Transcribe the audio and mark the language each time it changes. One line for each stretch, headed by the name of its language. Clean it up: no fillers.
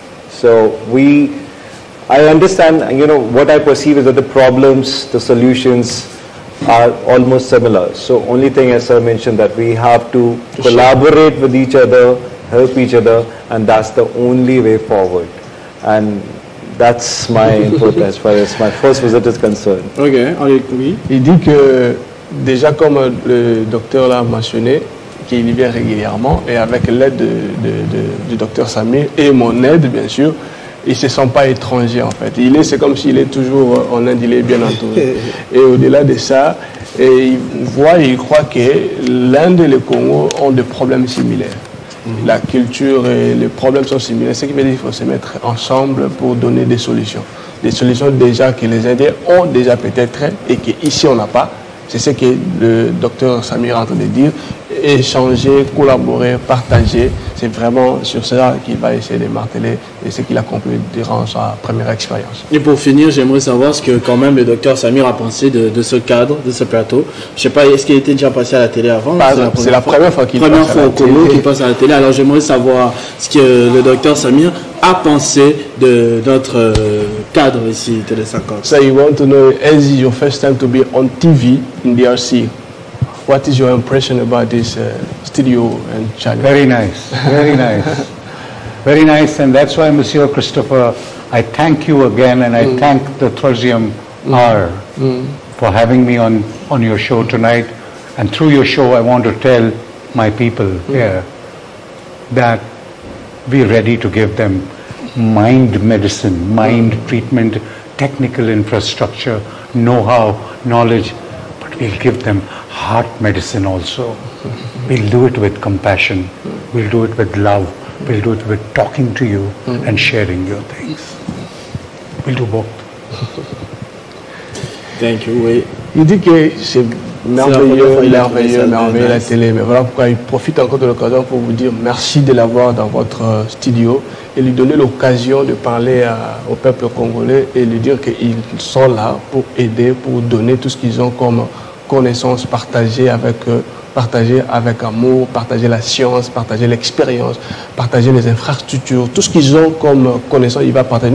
English: So I understand, you know, what I perceive is that the problems, the solutions are almost similar. So only thing, as I mentioned, that we have to collaborate with each other, help each other, and that's the only way forward. And that's my input as far as my first visit is concerned.
French: Okay, avec lui. Il dit que déjà comme le docteur l'a mentionné, qu'il y vient régulièrement et avec l'aide du docteur Samir et mon aide, bien sûr, il se sent pas étranger en fait. C'est comme s'il est toujours en Inde, il est bien entouré. Et au-delà de ça, et il voit, il croit que l'Inde et le Congo ont des problèmes similaires. La culture et les problèmes sont similaires. Ce qui veut dire qu'il faut se mettre ensemble pour donner des solutions. Des solutions déjà que les Indiens ont déjà peut-être et qu'ici on n'a pas. C'est ce que le docteur Samir est en train de dire. Échanger, collaborer, partager. C'est vraiment sur cela qu'il va essayer de marteler et ce qu'il a compris durant sa première expérience. Et pour finir, j'aimerais savoir ce que quand même le docteur Samir a pensé de ce cadre, de ce plateau. Je ne sais pas, est-ce qu'il était déjà passé à la télé avant? C'est la première fois qu'il passe à la télé. Alors j'aimerais savoir ce que le docteur Samir a pensé de notre cadre ici, Télé 50.
English: So you want to know, is it your first time to be on TV in DRC? What is your impression about this studio and channel? Very nice, very nice. Very nice, and that's why, Monsieur Christopher, I thank you again, and I thank the Trusium R for having me on your show tonight. And through your show, I want to tell my people here that we're ready to give them mind medicine, mind treatment, technical infrastructure, know-how, knowledge. We'll give them heart medicine also. We'll do it with compassion. We'll do it with love. We'll do it with talking to you and sharing your things. We'll do both. Thank you. Oui.
French: Il dit que c'est merveilleux, merveilleux, merveilleux la télé. Mais voilà pourquoi il profite encore de l'occasion pour vous dire merci de l'avoir dans votre studio et lui donner l'occasion de parler au peuple congolais et lui dire qu'ils sont là pour aider, pour donner tout ce qu'ils ont comme connaissances, partager avec amour, partager la science, partager l'expérience, partager les infrastructures, tout ce qu'ils ont comme connaissances, il va partager.